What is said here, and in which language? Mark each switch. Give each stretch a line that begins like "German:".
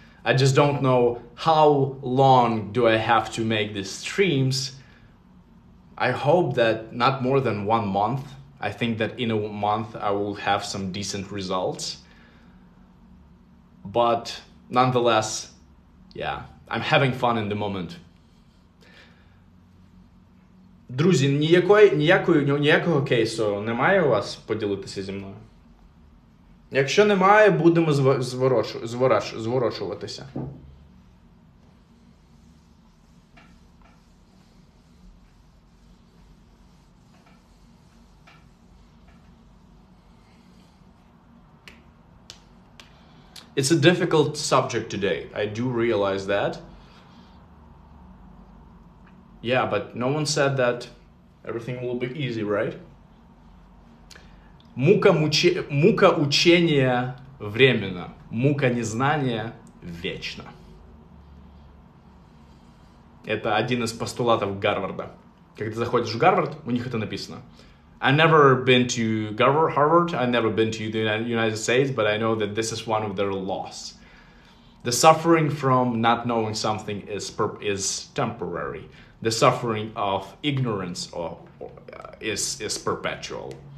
English: I just don't know how long do I have to make these streams. I hope that not more than 1 month. I think that in a month I will have some decent results. But nonetheless, yeah, I'm having fun in the moment.
Ukrainian: Друзі, ніякого кейсу немає у вас поділитися зі мною? Якщо немає, будемо зворочуватися.
English: It's a difficult subject today. I do realize that. Yeah, but no one said that everything will be easy, right?
Russian: Мука учення временна, мука незнання вечна. Это один из постулатов Гарварда. Когда заходишь в Гарвард, у них это написано.
English: I never been to Harvard, I never been to the United States, but I know that this is one of their laws. The suffering from not knowing something is temporary. The suffering of ignorance is perpetual.